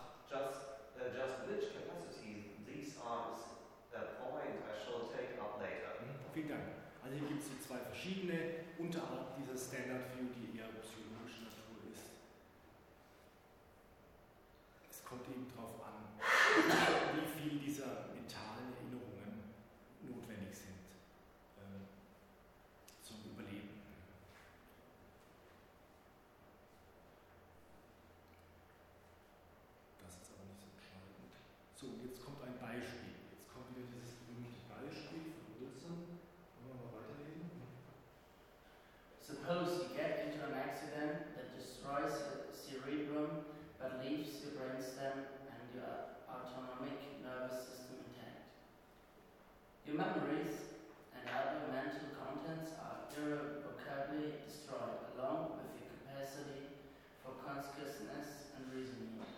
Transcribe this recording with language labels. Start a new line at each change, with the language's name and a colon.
English: Just which capacities these are is a point I shall take up later.
German: Vielen Dank. Also hier gibt es zwei verschiedene Unterarten dieser Standard View, die eher psychologischer Natur ist. Es kommt eben darauf an, wie viel dieser mentalen Erinnerungen notwendig sind zum Überleben. Das ist aber nicht so entscheidend. So, und jetzt kommt ein Beispiel. Jetzt kommt wieder dieses berühmte Beispiel von Wilson. Wollen wir mal weiterlegen?
English: Suppose you get into an accident that destroys your cerebrum but leaves your brainstem and your autonomic nervous system intact. Your memories and other mental contents are irrevocably destroyed along with your capacity for consciousness and reasoning.